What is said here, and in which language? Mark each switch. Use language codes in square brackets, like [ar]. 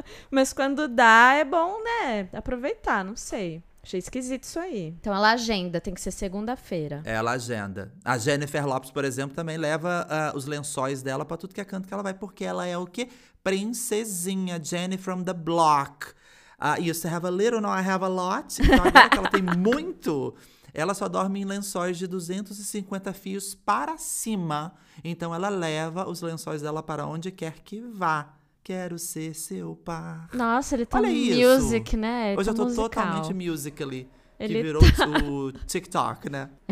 [pt] Mas quando dá, é bom, né? Aproveitar, não sei. Achei esquisito isso aí. Então ela agenda, tem que ser segunda-feira. Ela agenda. A Jennifer Lopes, por exemplo, também leva os lençóis dela pra tudo que é canto que ela vai. Porque ela é o quê? Princesinha. [en] Jenny from the block. You used to have a little, now I have a lot. [pt] Então agora que ela tem muito, ela só dorme em lençóis de 250 fios para cima. Então ela leva os lençóis dela para onde quer que vá. Quero ser seu par. Nossa, ele tá olha [en] music, [pt] isso, né? Ele hoje tá eu tô musical. Totalmente musically. Ele que virou tá... o TikTok, né?